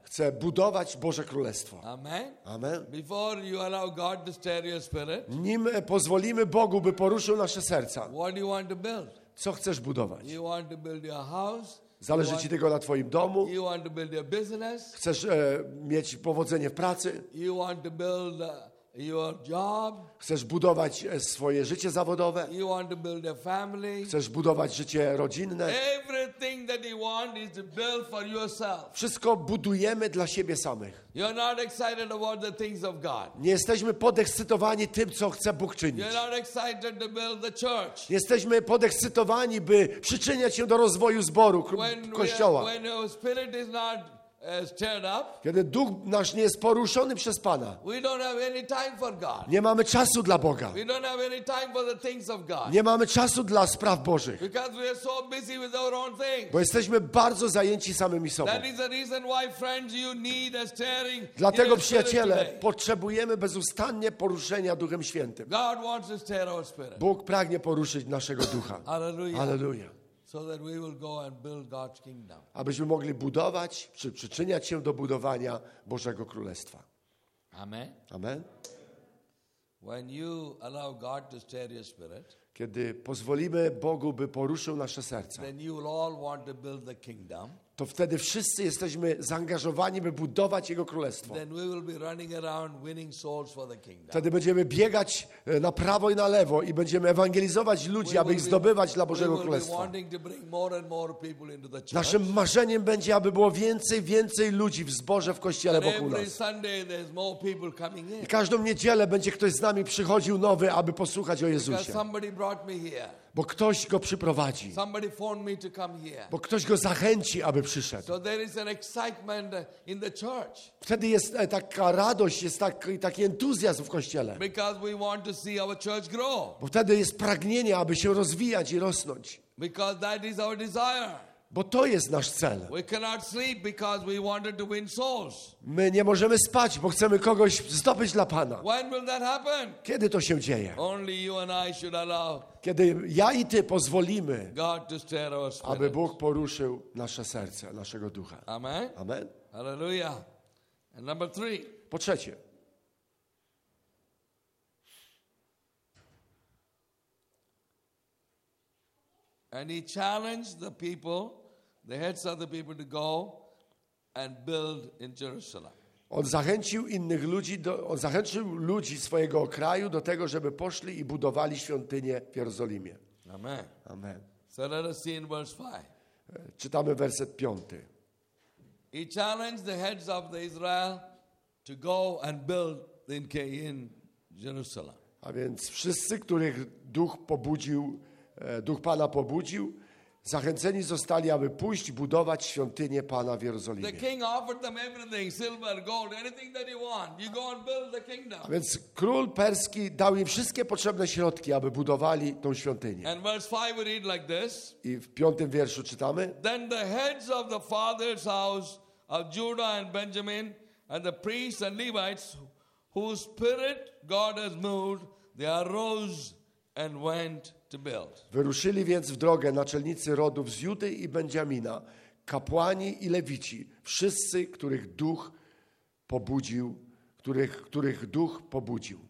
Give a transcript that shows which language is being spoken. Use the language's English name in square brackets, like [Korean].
[Polish] Chcę budować Boże Królestwo. [English] Amen. [Polish] Amen. [English] Before you allow God to stir your spirit, [Polish] nim pozwolimy Bogu, by poruszył nasze serca, [English] what do you want to build? [Polish] Co chcesz budować? [English] You want to build your house. [Polish] Zależy ci tego na twoim domu. [English] You want to build your business. [Polish] Chcesz mieć powodzenie w pracy. [English] You want to build your job. [Polish] Chcesz budować swoje życie zawodowe. [English] You want to build a family. [Polish] Chcesz budować życie rodzinne. [English] Everything that you want is to build for yourself. [Polish] Wszystko budujemy dla siebie samych. [English] You're not excited about the things of God. [Polish] Nie jesteśmy podekscytowani tym, co chce Bóg czynić. [English] You're not excited to build the church. [Polish] Nie jesteśmy podekscytowani, by przyczyniać się do rozwoju zboru, kościoła. [English] When your spirit is not stirred up, [Polish] kiedy duch nasz nie jest poruszony przez Pana, [English] we don't have any time for God. [Polish] Nie mamy czasu dla Boga. [English] We don't have any time for the things of God. [Polish] Nie mamy czasu dla spraw Bożych. [English] Because we are so busy with our own things. [Polish] Bo jesteśmy bardzo zajęci samymi sobą. [English] That is the reason why, friends, you need a stirring. [Polish] Dlatego, przyjaciele, potrzebujemy bezustannie poruszenia Duchem Świętym. [English] God wants to stir our spirit. [Polish] Bóg pragnie poruszyć naszego ducha. Alleluja. [English] So that we will go and build God's kingdom. [Polish] Abyśmy mogli budować, czy przyczyniać się do budowania Bożego Królestwa. [English] Amen. [Polish] Amen. [English] When you allow God to stir your spirit, [Polish] kiedy pozwolimy Bogu, by poruszył nasze serce, [English] then you will all want to build the kingdom. [Polish] To wtedy wszyscy jesteśmy zaangażowani, by budować Jego Królestwo. [English] Then we will be running around winning souls for the kingdom. [Polish] Wtedy będziemy biegać na prawo i na lewo i będziemy ewangelizować ludzi, aby ich zdobywać dla Bożego Królestwa. [English] We will be wanting to bring more and more people into the church. [Polish] Naszym marzeniem będzie, aby było więcej ludzi w zborze, w kościele wokół nas. [English] And every Sunday there's more people coming in. [Polish] I każdą niedzielę będzie ktoś z nami przychodził nowy, aby posłuchać o Jezusie. [English] Because somebody brought me here. [Polish] Bo ktoś go przyprowadzi. [English] Somebody phoned me to come here. [Polish] Bo ktoś go zachęci, aby przyszedł. [English] So there is an excitement in the church. [Polish] Wtedy jest taka radość, jest taki entuzjazm w kościele. [English] Because we want to see our church grow. [Polish] Bo wtedy jest pragnienie, aby się rozwijać i rosnąć. [English] Because that is our desire. [Polish] Bo to jest nasz cel. [English] We cannot sleep because we wanted to win souls. [Polish] My nie możemy spać, bo chcemy kogoś zdobyć dla Pana. [English] When will that happen? [Polish] Kiedy to się dzieje? [English] Only you and I should allow. [Polish] Kiedy ja i ty pozwolimy, [English] God to stir our spirit. [Polish] Aby Bóg poruszył nasze serce, naszego ducha. [English] Amen. [Polish] Amen. [English] Hallelujah. And number three. [Polish] Po trzecie. [English] And he challenged the people the heads of the people to go and build in Jerusalem. [Polish] On zachęcił innych ludzi, on zachęcił ludzi swojego kraju do tego, żeby poszli i budowali świątynię w Jerozolimie. [English] Amen. [Polish] Amen. [English] So let us see in verse 5. [Polish] Czytamy werset 5. [English] He challenged the heads of the Israel to go and build in Jerusalem. [Polish] A więc wszyscy, których Duch pobudził, Duch Pana pobudził, zachęceni zostali, aby pójść budować świątynię Pana w Jerozolimie. [English] The king offered them everything, silver, gold, anything that you want. You go and build the kingdom. [Polish] A więc król perski dał im wszystkie potrzebne środki, aby budowali tą świątynię. [English] And verse 5 we read like this. [Polish] I w piątym wierszu czytamy. [English] Then the heads of the father's house of Judah and Benjamin and the priests and Levites whose spirit God has moved, they arose and went. [Polish] Wyruszyli więc w drogę naczelnicy rodów z Judy i Benjamina, kapłani i lewici, wszyscy, których Duch pobudził, których Duch pobudził.